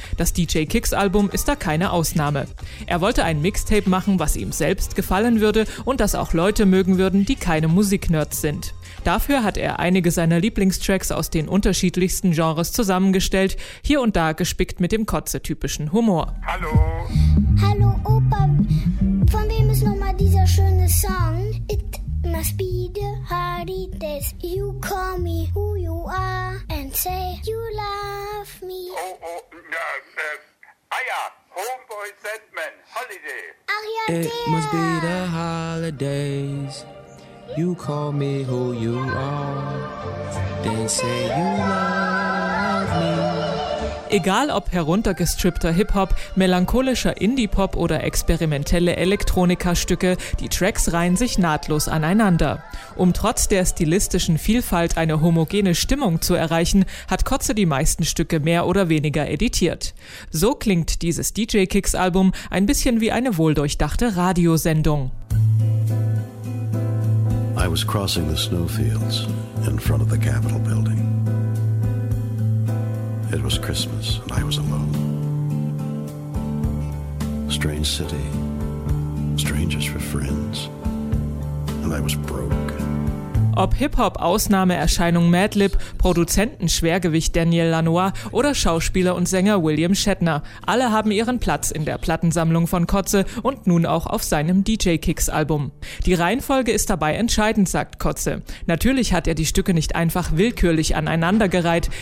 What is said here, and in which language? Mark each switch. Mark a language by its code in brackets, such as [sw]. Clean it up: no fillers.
[de] Das DJ-Kicks-Album ist da keine Ausnahme. Er wollte ein Mixtape machen, was ihm selbst gefallen würde und das auch Leute mögen würden, die keine Musiknerds sind. Dafür hat er einige seiner Lieblingstracks aus den unterschiedlichsten Genres zusammengestellt, hier und da gespickt mit dem Kotze-typischen Humor. Hallo! Hallo Opa, von wem ist nochmal dieser schöne Song? [en] It must be the hardest. You call me who you are and say you love me. Homeboy Sandman, Holiday. [de] Ach ja, [en] it must be the holidays. You call me who you are, then say you love me. [de] Egal ob heruntergestrippter Hip-Hop, melancholischer Indie-Pop oder experimentelle Elektronika-Stücke, die Tracks reihen sich nahtlos aneinander. Um trotz der stilistischen Vielfalt eine homogene Stimmung zu erreichen, hat Kotze die meisten Stücke mehr oder weniger editiert. So klingt dieses DJ-Kicks-Album ein bisschen wie eine wohldurchdachte Radiosendung. [en] I was crossing the snowfields in front of the Capitol building. It was Christmas and I was alone. Strange city, strangers were friends, and I was broke. [de] Ob Hip-Hop-Ausnahmeerscheinung Madlib, Produzentenschwergewicht Daniel Lanois oder Schauspieler und Sänger William Shatner, alle haben ihren Platz in der Plattensammlung von Kotze und nun auch auf seinem DJ-Kicks-Album. Die Reihenfolge ist dabei entscheidend, sagt Kotze. Natürlich hat er die Stücke nicht einfach willkürlich aneinandergereiht.